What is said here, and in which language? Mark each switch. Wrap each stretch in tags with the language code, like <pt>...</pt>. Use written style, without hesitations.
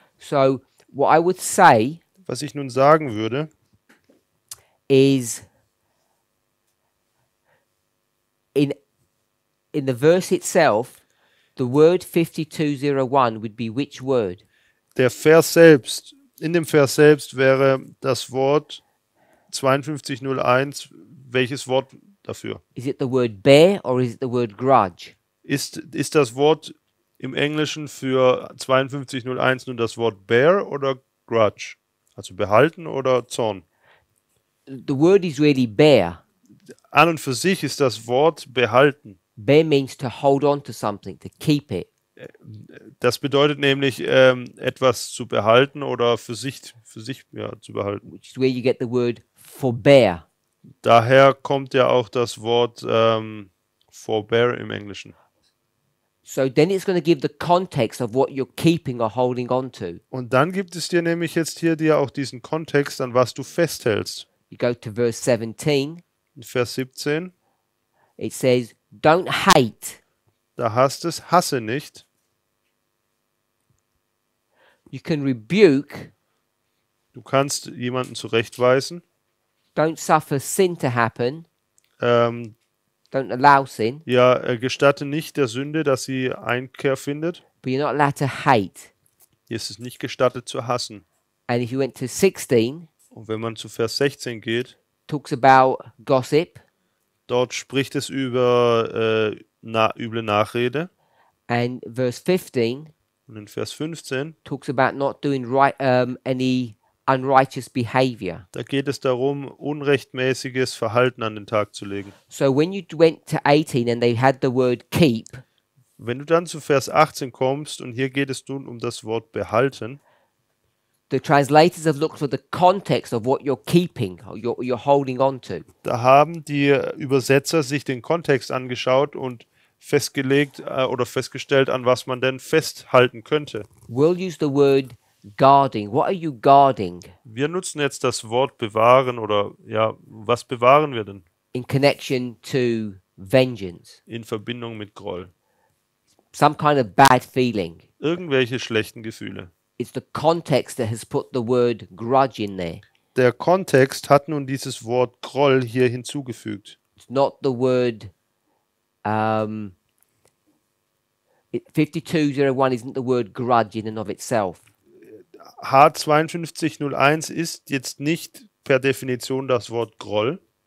<en>So what I would say,</en> <de>was ich nun sagen würde,</de> <en>is in the verse itself, the word 5201 would be which word?</en> <de>Der Vers selbst, in dem Vers selbst wäre das Wort 5201, welches Wort dafür?</de> <en>Is it the word bear or is it the word grudge?</en> <de>Ist das Wort im Englischen für 5201 nun das Wort bear oder grudge? Also behalten oder Zorn?</de> <en>The word is really bear.</en> <de>An und für sich ist das Wort behalten.</de> <en>Bear means to hold on to something, to keep it.</en> <de>Das bedeutet nämlich etwas zu behalten oder für sich ja, zu behalten.</de> <en>Which is where you get the word forbear.</en> <de>Daher kommt ja auch das Wort forbear im Englischen.</de> <en>So then it's going to give the context of what you're keeping or holding on to.</en> <de>Und dann gibt es dir nämlich jetzt hier dir auch diesen Kontext, an was du festhältst.</de> <en>You go to verse 17.</en> <de>In Vers 17.</de> <en>It says, don't hate.</en> <de>Da heißt es, hasse nicht.</de> <en>You can rebuke.</en> <de>Du kannst jemanden zurechtweisen.</de> <en>Don't suffer sin to happen. Don't allow sin.</en> <de>Ja, gestatte nicht der Sünde, dass sie Einkehr findet.</de> <en>But you're not allowed to hate.</en> <de>Es ist nicht gestattet zu hassen.</de> <en>And if you went to 16.</en> <de>Und wenn man zu Vers 16 geht,</de> <en>talks about gossip.</en> <de>Dort spricht es über üble Nachrede.</de> <en>And verse 15.</en> <de>Und in Vers 15</de> <en>talks about not doing right any unrighteous behavior.</en> <de>Da geht es darum, unrechtmäßiges Verhalten an den Tag zu legen.</de> <en>So when you went to 18 and they had the word keep.</en> <de>Wenn du dann zu Vers 18 kommst und hier geht es nun um das Wort behalten.</de> <en>The translators have looked for the context of what you're keeping or you're holding on to.</en> <de>Da haben die Übersetzer sich den Kontext angeschaut und festgelegt oder festgestellt, an was man denn festhalten könnte.</de> <en>We'll use the word guarding. What are you guarding?</en> <de>Wir nutzen jetzt das Wort bewahren oder ja, was bewahren wir denn?</de> <en>In connection to vengeance.</en> <de>In Verbindung mit Groll.</de> <en>Some kind of bad feeling.</en> <de>Irgendwelche schlechten Gefühle.</de> <en>It's the context that has put the word grudge in there.</en> <de>Der Kontext hat nun dieses Wort Groll hier hinzugefügt.</de> <en>It's not the word 5201 isn't the word grudge in and of itself.</en> <de>H5201 ist jetzt nicht per Definition das Wort Groll.</de>